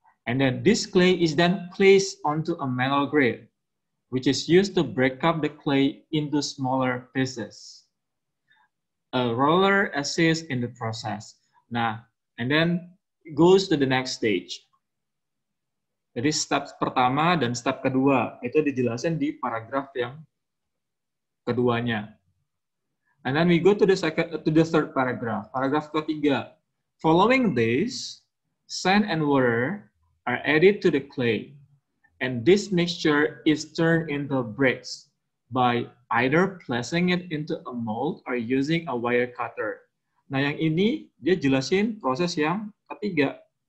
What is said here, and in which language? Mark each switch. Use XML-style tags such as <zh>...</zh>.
<en>And then this clay is then placed onto a metal grid, which is used to break up the clay into smaller pieces. A roller assists in the process. Nah, and then goes to the next stage.</en> <id>Jadi step pertama dan step kedua, itu dijelasin di paragraf yang keduanya.</id> <en>And then we go to the second, to the third paragraph,</en> <id>paragraf ketiga.</id> <en>Following this, sand and water are added to the clay. And this mixture is turned into bricks by either placing it into a mold or using a wire cutter.</en> <id>Nah, yang ini dia jelasin proses yang ketiga.</id>